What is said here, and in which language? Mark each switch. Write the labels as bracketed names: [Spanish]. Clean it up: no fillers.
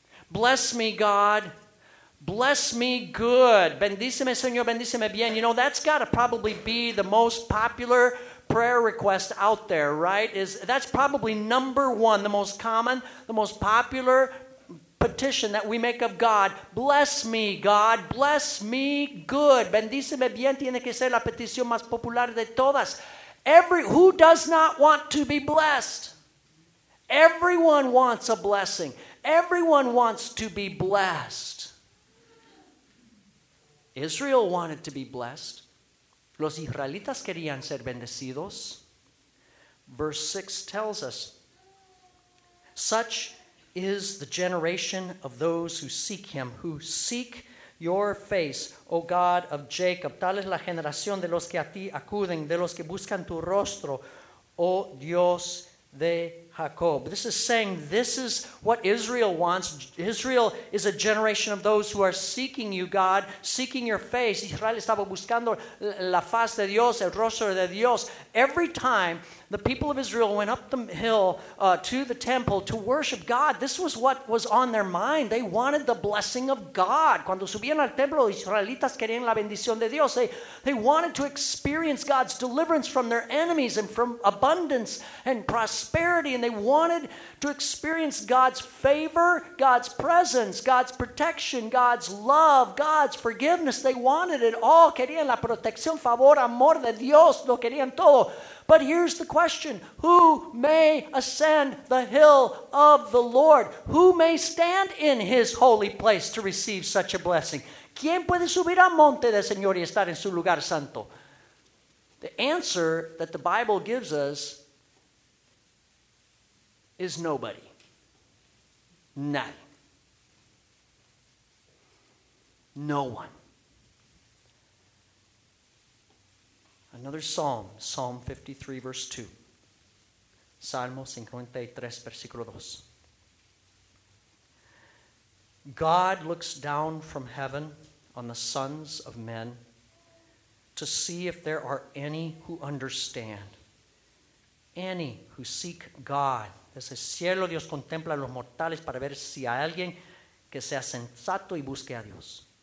[English] Bless me, God. Bless me good. [Spanish] Bendíceme, Señor. Bendíceme bien. [English] You know, that's got to probably be the most popular prayer request out there, right? That's probably number one, the most common, the most popular petition that we make of God. Bless me, God. Bless me good. [Spanish] Bendíceme bien tiene que ser la petición más popular de todas. [English] Who does not want to be blessed? Everyone wants a blessing. Everyone wants to be blessed. Israel wanted to be blessed. [Spanish] Los israelitas querían ser bendecidos. [English] Verse 6 tells us, such is the generation of those who seek him, who seek your face, O God of Jacob. [Spanish] Tal es la generación de los que a ti acuden, de los que buscan tu rostro, O Dios de Jacob. [English] This is saying this is what Israel wants. Israel is a generation of those who are seeking you, God, seeking your face. [Spanish] Israel estaba buscando la faz de Dios, el rostro de Dios. [English] Every time the people of Israel went up the hill to the temple to worship God, this was what was on their mind. They wanted the blessing of God. [Spanish] Cuando subían al templo, los israelitas querían la bendición de Dios. [English] They wanted to experience God's deliverance from their enemies and from abundance and prosperity. And they wanted to experience God's favor, God's presence, God's protection, God's love, God's forgiveness. They wanted it all. [Spanish] Querían la protección, favor, amor de Dios. Lo querían todo. [English] But here's the question. Who may ascend the hill of the Lord? Who may stand in his holy place to receive such a blessing? [Spanish] ¿Quién puede subir al monte del Señor y estar en su lugar santo? [English] The answer that the Bible gives us is nobody. None. No one. Another psalm, Psalm 53, verse 2. [Spanish] Salmo 53, versículo 2. [English] God looks down from heaven on the sons of men to see if there are any who understand, any who seek God. [Spanish] Desde el cielo Dios contempla a los mortales para ver si hay alguien que sea sensato y busque a Dios.